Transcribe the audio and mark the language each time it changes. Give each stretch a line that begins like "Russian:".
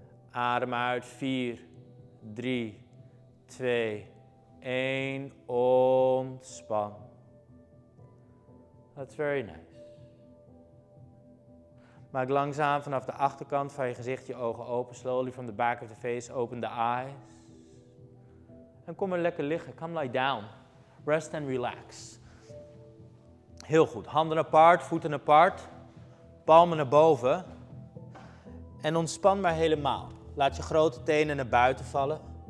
Dutch: Adem uit. 4, 3, 2, 1. 1, ontspan.
English: That's very nice.
Dutch: Maak langzaam vanaf de achterkant van je gezicht je ogen open.
English: Slowly from the back of the face, open the eyes.
Dutch: En kom maar lekker liggen.
English: Come lie down. Rest and relax.
Dutch: Heel goed. Handen apart, voeten apart. Palmen naar boven. En ontspan maar helemaal. Laat je grote tenen naar buiten vallen.